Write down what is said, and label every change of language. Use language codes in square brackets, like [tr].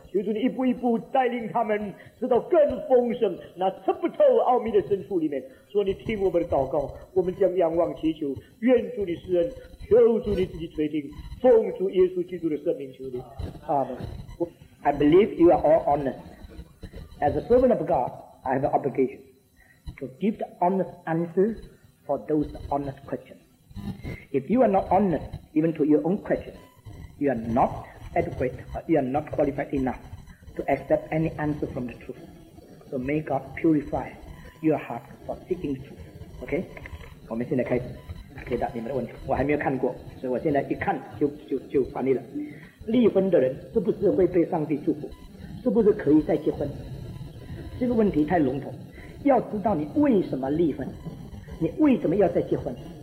[zh] 求主你一步一步带领他们直到更丰盛那测不透奥秘的深处里面。说你听我们的祷告，我们将仰望祈求，愿主你施恩，求主你自己垂听，奉主耶稣基督的圣名求你。阿们。 [en] I believe you are all honest. As a servant of God, I have an obligation to give the honest answers for those honest questions. If you are not honest even to your own questions, you are not adequate or you are not qualified enough to accept any answer from the truth. So may God purify your heart for seeking truth. Okay? [zh] 我们现在开始解答你们的问题。我还没有看过，所以我现在一看就翻译了。离婚的人是不是会被上帝祝福？是不是可以再结婚？这个问题太笼统，要知道你为什么离婚，你为什么要再结婚？